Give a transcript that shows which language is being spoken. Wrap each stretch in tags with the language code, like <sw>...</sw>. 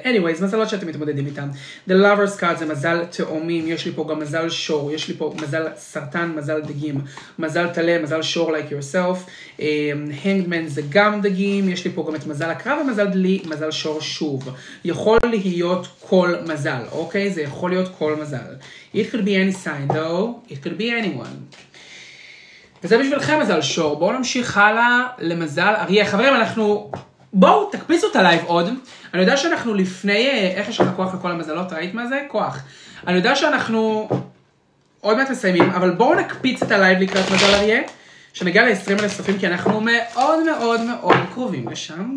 <he>Anyways, מזלות שאתם מתמודדים איתם. The Lover's Card זה מזל תאומים, יש לי פה גם מזל שור, יש לי פה מזל סרטן, מזל דגים, מזל תלה, מזל שור</he> <en>like yourself.</en> <he>Hangman זה גם דגים, יש לי פה גם את מזל הקרב ומזל דלי, מזל שור שוב. יכול להיות כל מזל, אוקיי? זה יכול להיות כל מזל.</he> <en>It could be any sign though, it could be anyone.</en> <he>וזה בשבילכם מזל שור, בואו נמשיך הלאה למזל אריה. חברים, אנחנו... בואו, תקפיצו את הלייב עוד. אני יודע שאנחנו לפני... איך יש לך כוח לכל המזלות? ראית מה זה? כוח. אני יודע שאנחנו עוד מעט מסיימים, אבל בואו נקפיץ את הלייב לקראת מזל אריה, שנגיע ל-20 אלף סופים, כי אנחנו מאוד מאוד מאוד קרובים לשם.</he>